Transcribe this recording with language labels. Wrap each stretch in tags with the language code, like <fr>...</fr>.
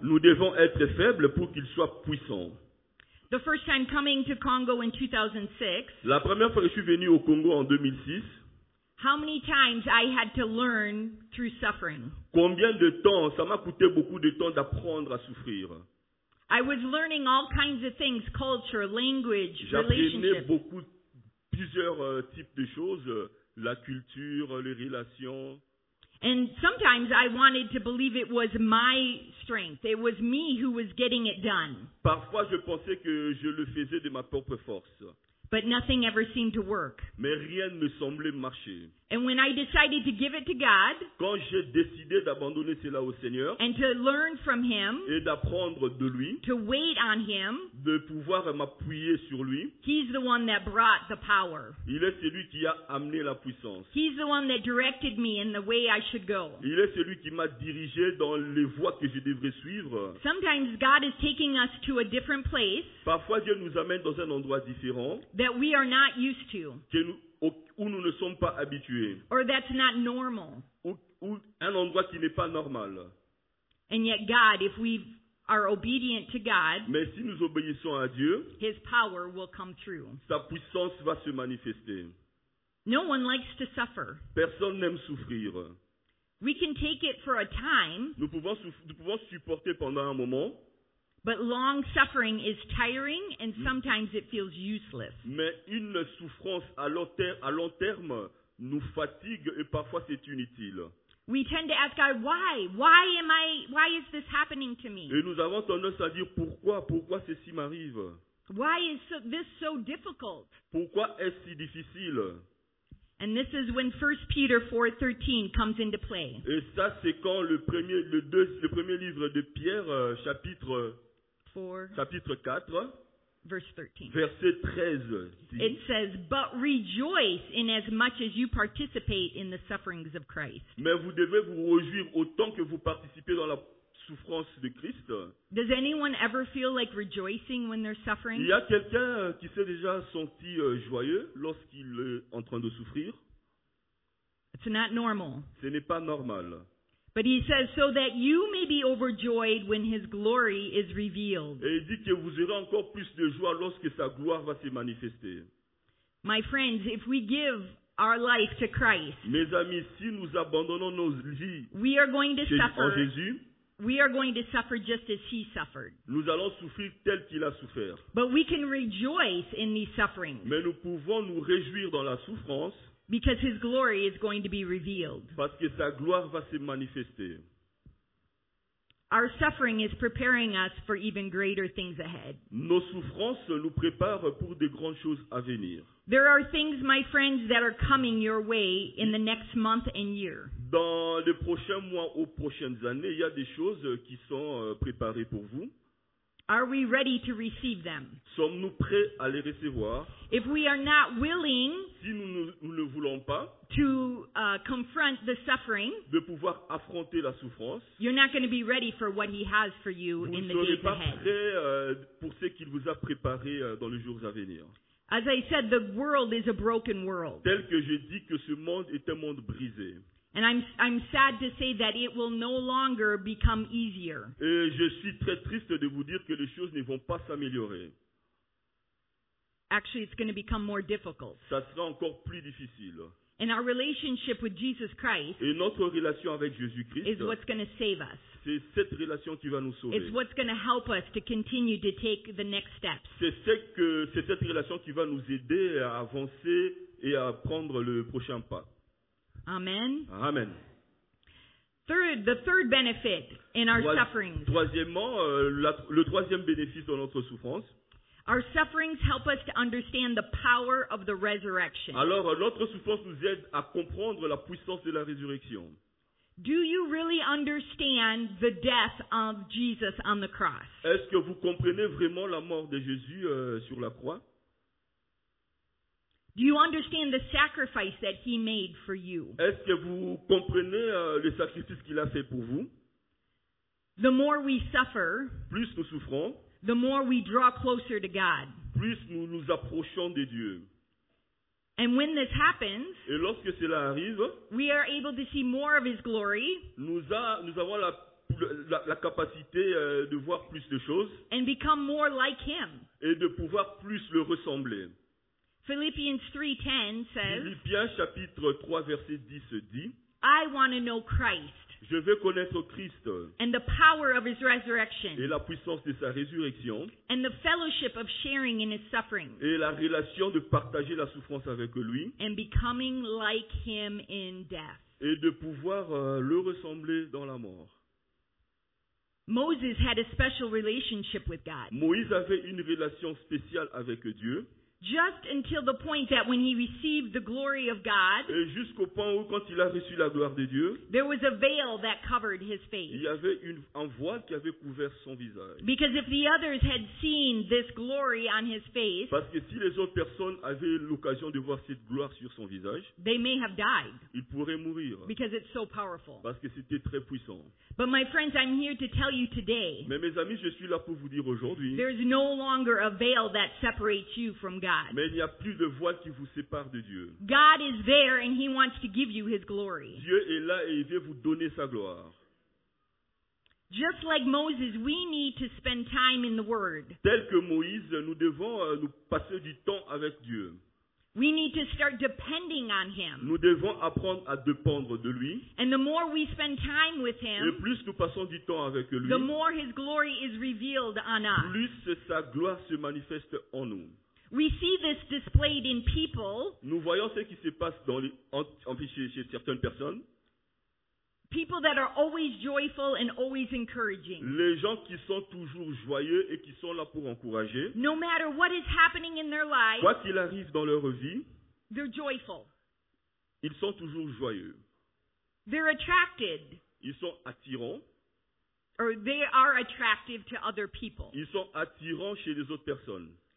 <fr>Nous devons être faibles pour qu'il soit puissant.</fr> <en>The first time coming to Congo in 2006.</en> <fr>La première fois que je suis venu au Congo en 2006.</fr> <en>How many times I had to learn through suffering?</en> <fr>Combien de temps, ça m'a coûté beaucoup de temps d'apprendre à souffrir.</fr> <en>I was learning all kinds of things, culture, language, relationships.</en> <fr>J'apprenais beaucoup, plusieurs types de choses, la culture, les relations.</fr> <en>And sometimes I wanted to believe it was my strength. It was me who was getting it done.</en> <fr>Parfois je pensais que je le faisais de ma propre force.</fr> <en>But nothing ever seemed to work.</en> <fr>Mais rien ne semblait marcher.</fr> <en>And when I decided to give it to God,</en> <fr>quand j'ai décidé d'abandonner cela au Seigneur,</fr> <en>and to learn from him,</en> <fr>et d'apprendre de lui,</fr> <en>to wait on him,</en> <fr>de pouvoir m'appuyer sur lui,</fr> <en>he's the one that brought the power.</en> <fr>Il est celui qui a amené la puissance.</fr> <en>He's the one that directed me in the way I should go.</en> <fr>Il est celui qui m'a dirigé dans les voies que je devrais suivre.</fr> <en>Sometimes God is taking us to a different place.</en> <fr>Parfois Dieu nous amène dans un endroit différent.</fr> <en>That we are not used to.</en> <fr>Où nous ne sommes pas habitués.</fr> <en>Or that's not normal.</en> <fr>Ou un endroit qui n'est pas normal.</fr> <en>And yet God, if we are obedient to God,</en> <fr>mais si nous obéissons à Dieu,</fr> <en>his power will come through.</en> <fr>Sa puissance va se manifester.</fr> <en>No one likes to suffer.</en> <fr>Personne n'aime souffrir.</fr> <en>We can take it for a time.</en> <fr>Nous pouvons supporter pendant un moment.</fr> <en>But long suffering is tiring and sometimes it feels useless.</en> <fr>Mais une souffrance à long terme nous fatigue et parfois c'est inutile.</fr> <en>We tend to ask God, why? Why is this happening to me?</en> <fr>Et nous avons tendance à dire pourquoi ceci m'arrive?</fr> <en>Why is this so difficult?</en> <fr>Pourquoi est-ce si difficile?</fr> <en>And this is when 1 Peter 4:13 comes into play.</en> <fr>Et ça c'est quand le premier livre de Pierre chapitre 4, verset 13.</fr> <en>It says, "But rejoice in as much as you participate in the sufferings of Christ."</en> <fr>Mais vous devez vous réjouir autant que vous participez dans la souffrance de Christ.</fr> <en>Does anyone ever feel like rejoicing when they're suffering?</en> <fr>Il y a quelqu'un qui s'est déjà senti joyeux lorsqu'il est en train de souffrir?</fr> <en>It's not normal.</en> <fr>Ce n'est pas normal.</fr> <en>But he says, so that you may be overjoyed when his glory is revealed.</en> <fr>Et il dit que vous aurez encore plus de joie lorsque sa gloire va se manifester.</fr> <en>My friends, if we give our life to Christ,</en> <fr>mes amis, si nous abandonnons nos vies,</fr> <en>we are going to suffer.</en> <fr>En Jésus,</fr> <en>we are going to suffer just as he suffered.</en> <fr>Nous allons souffrir tel qu'il a souffert.</fr> <en>But we can rejoice in these sufferings.</en> <fr>Mais nous pouvons nous réjouir dans la souffrance.</fr> <en>Because his glory is going to be revealed.</en> <fr>Parce que sa gloire va se manifester.</fr> <en>Our suffering is preparing us for even greater things ahead.</en> <fr>Nos souffrances nous préparent pour de grandes choses à venir.</fr> <en>There are things, my friends, that are coming your way in the next month and year.</en> <fr>Dans les prochains mois ou prochaines années, il y a des choses qui sont préparées pour vous.</fr> <en>Are we ready to receive them?</en> <fr>Sommes-nous prêts à les recevoir?</fr> <en>If we are not willing,</en> <fr>si nous ne voulons pas,</fr> <en>to confront the suffering,</en> <fr>de pouvoir affronter la souffrance,</fr> <en>you're not going to be ready for what he has for you in the days ahead.</en> <fr>Vous ne serez pas prêts pour ce qu'il vous a préparé dans les jours à venir.</fr> <en>As I said, the world is a broken world.</en> <fr>Tel que je dis que ce monde est un monde brisé.</fr> <en>And I'm sad to say that it will no longer become easier.</en> <fr>Et je suis très triste de vous dire que les choses ne vont pas s'améliorer.</fr> <en>Actually, it's going to become more difficult.</en> <fr>Ça sera encore plus difficile.</fr> <en>And our relationship with Jesus Christ,</en> <fr>et notre relation avec Jésus-Christ,</fr> <en>is what's going to save us.</en> <fr>C'est cette relation qui va nous sauver.</fr> <en>It's what's going to help us to continue to take the next steps.</en> <fr>C'est cette relation qui va nous aider à avancer et à prendre le prochain pas.</fr> <en>Amen.</en> <fr>Amen.</fr> <en>The third benefit in our sufferings.</en> <fr>Troisièmement, le troisième bénéfice dans notre souffrance.</fr> <en>Our sufferings help us to understand the power of the resurrection.</en> <fr>Alors, notre souffrance nous aide à comprendre la puissance de la résurrection.</fr> <en>Do you really understand the death of Jesus on the cross?</en> <fr>Est-ce que vous comprenez vraiment la mort de Jésus sur la croix?</fr> <en>Do you understand the sacrifice that he made for you?</en> <fr>Est-ce que vous comprenez le sacrifice qu'il a fait pour vous?</fr> <en>The more we suffer,</en> <fr>plus nous souffrons,</fr> <en>the more we draw closer to God.</en> <fr>Plus nous nous approchons de Dieu.</fr> <en>And when this happens,</en> <fr>et lorsque cela arrive,</fr> <en>we are able to see more of his glory.</en> <fr>Nous avons la capacité de voir plus de choses.</fr> <en>And become more like him.</en> <fr>Et de pouvoir plus le ressembler.</fr> <en>Philippiens 3:10 says,</en> <fr>Philippiens chapitre 3 verset 10 dit,</fr> <en>I want to know Christ.</en> <fr>Je veux connaître Christ.</fr> <en>And the power of his resurrection.</en> <fr>Et la puissance de sa résurrection.</fr> <en>And the fellowship of sharing in his suffering.</en> <fr>Et la relation de partager la souffrance avec lui.</fr> <en>And becoming like him in death.</en> <fr>Et de pouvoir le ressembler dans la mort.</fr> <en>Moses had a special relationship with God.</en> <fr>Moïse avait une relation spéciale avec Dieu.</fr> <en>Just until the point that when he received the glory of God,</en> <fr>et jusqu'au point où quand il a reçu la gloire de Dieu,</fr> <en>there was a veil that covered his face.</en> <fr>Il y avait un voile qui avait couvert son visage.</fr> <en>Because if the others had seen this glory on his face,</en> <fr>parce que si les autres personnes avaient l'occasion de voir cette gloire sur son visage,</fr> <en>they may have died.</en> <fr>Ils pourraient mourir.</fr> <en>Because it's so powerful.</en> <fr>Parce que c'était très puissant.</fr> <en>But my friends, I'm here to tell you today.</en> <fr>Mais mes amis, je suis là pour vous dire aujourd'hui.</fr> <en>There is no longer a veil that separates you from God.</en> <fr>Mais il n'y a plus de voile qui vous sépare de Dieu.</fr> <en>God is there and he wants to give you his glory.</en> <fr>Dieu est là et il veut vous donner sa gloire.</fr> <en>Just like Moses, we need to spend time in the word.</en> <fr>Tel que Moïse, nous devons nous passer du temps avec Dieu.</fr> <en>We need to start depending on him.</en> <fr>Nous devons apprendre à dépendre de lui.</fr> <en>And the more we spend time with him,</en> <fr>et plus nous passons du temps avec lui,</fr> <en>the more his glory is revealed on us.</en> <fr>Plus sa gloire se manifeste en nous.</fr> <en>We see this displayed in people.</en> <fr>Nous voyons ce qui se passe dans chez certaines personnes.</fr> <en>People that are always joyful and always encouraging.</en> <fr>Les gens qui sont toujours joyeux et qui sont là pour encourager.</fr> <en>No matter what is happening in their life.</en> <fr>Quoi qu'il arrive dans leur vie.</fr> <en>They're joyful.</en> <fr>Ils sont toujours joyeux.</fr> <en>They're attracted.</en> <fr>Ils sont attirants.</fr> <en>Or they are attractive to other people.</en> <fr>Ils sont attirants chez les autres personnes.</fr>